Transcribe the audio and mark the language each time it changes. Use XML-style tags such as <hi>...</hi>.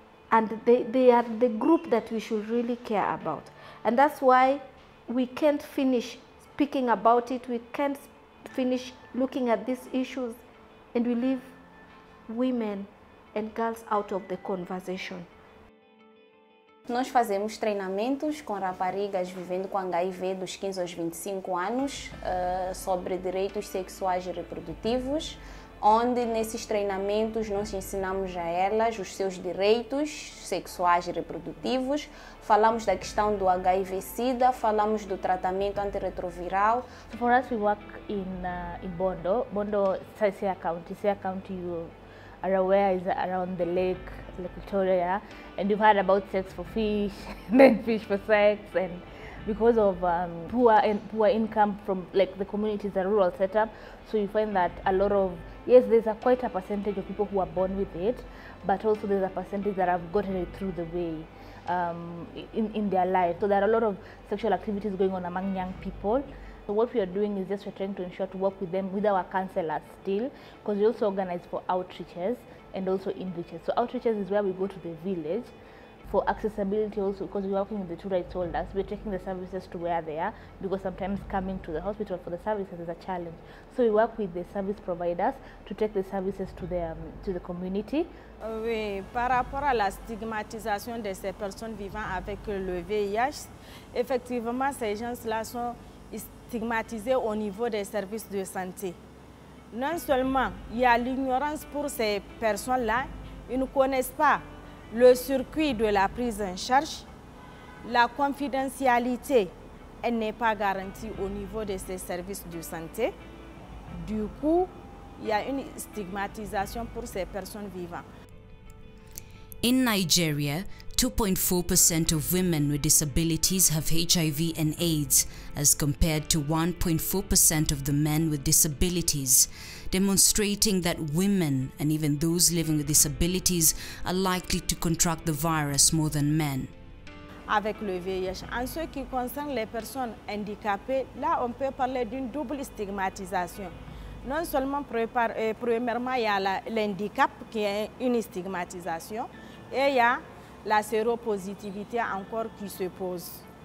<en>And they are the group that we should really care about. And that's why we can't finish speaking about it. We can't finish looking at these issues. And we leave women and girls out of the conversation.</en> <pt>Nós fazemos treinamentos com raparigas vivendo com HIV dos 15 aos 25 anos sobre direitos sexuais e reprodutivos, onde nesses treinamentos nós ensinamos a elas os seus direitos sexuais e reprodutivos, falamos da questão do HIV-Sida, falamos do tratamento antirretroviral.</pt> <en>So for us, we work in Bondo. Bondo is a city county. City county you are aware is around the lake. Like Victoria, yeah? And you've heard about sex for fish, and then fish for sex, and because of poor income from like the communities, a rural setup, so you find that a lot of, yes, there's a quite a percentage of people who are born with it, but also there's a percentage that have gotten it through the way in their life. So there are a lot of sexual activities going on among young people. So what we are doing is just we're trying to ensure to work with them, with our counselors still, because we also organize for outreaches and also in villages. So outreaches is where we go to the village for accessibility also, because we're working with the two rights holders. We're taking the services to where they are, because sometimes coming to the hospital for the services is a challenge. So we work with the service providers to take the services to the community.</en> <fr>Oui, par rapport à la stigmatisation de ces personnes vivant avec le VIH, effectivement, ces gens-là sont stigmatisés au niveau des services de santé. Non seulement il y a l'ignorance pour ces personnes-là, ils ne connaissent pas le circuit de la prise en charge, la confidentialité, elle n'est pas garantie au niveau de ces services de santé. Du coup, il y a une stigmatisation pour ces personnes vivantes.</fr> <en>In Nigeria, 2.4% of women with disabilities have HIV and AIDS, as compared to 1.4% of the men with disabilities, demonstrating that women and even those living with disabilities are likely to contract the virus more than men.</en> <fr>Avec le VIH, en ce qui concerne les personnes handicapées, là on peut parler d'une double stigmatisation. Non seulement premièrement il y a l'handicap qui est une stigmatisation, et il y a la séropositivité encore qui se pose.</fr>